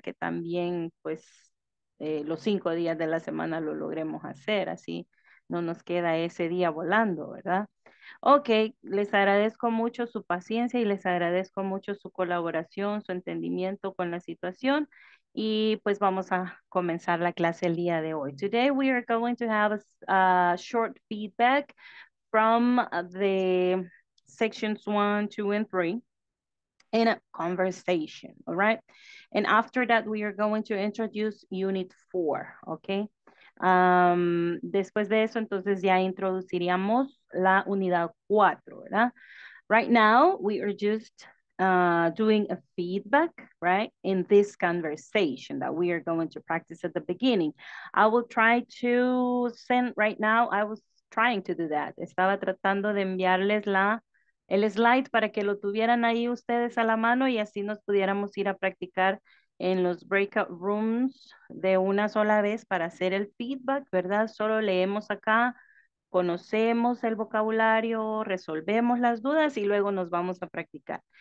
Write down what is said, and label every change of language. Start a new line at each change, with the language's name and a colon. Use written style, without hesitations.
Spanish: Que también, pues, los 5 días de la semana lo logremos hacer, así no nos queda ese día volando, ¿verdad? Ok, les agradezco mucho su paciencia y les agradezco mucho su colaboración, su entendimiento con la situación y pues vamos a comenzar la clase el día de hoy.
English: Today we are going to have a short feedback from the sections 1, 2, and 3. In a conversation, all right? And after that, we are going to introduce Unit 4, okay?
Spanish: Después de eso, entonces ya introduciríamos la unidad 4, ¿verdad?
English: Right now, we are just doing a feedback, right? In this conversation that we are going to practice at the beginning. I will try to send right now, I was trying to do that.
Spanish: Estaba tratando de enviarles el slide para que lo tuvieran ahí ustedes a la mano y así nos pudiéramos ir a practicar en los breakout rooms de una sola vez para hacer el feedback, ¿verdad? Solo leemos acá, conocemos el vocabulario, resolvemos las dudas y luego nos vamos a practicar.